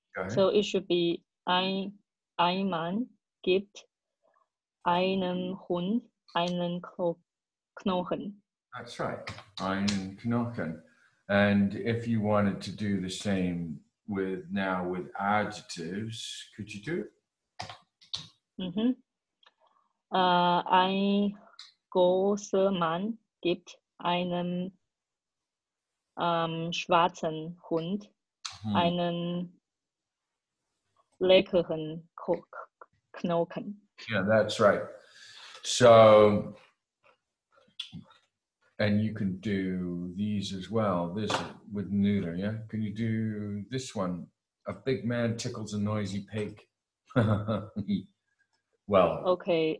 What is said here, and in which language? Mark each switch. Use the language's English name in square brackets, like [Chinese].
[English] So it should be [German] ein Mann gibt einen Hund einen Knochen. [English] That's right, ein Knochen. And if you wanted to do the same with now with adjectives, could you do [German] Ein großer Mann gibt einen schwarzen Hund einen leckeren Knochen. [English] Yeah, that's right. So, and you can do these as well, this with neuter, yeah? Can you do this one? A big man tickles a noisy pig. Well, Okay,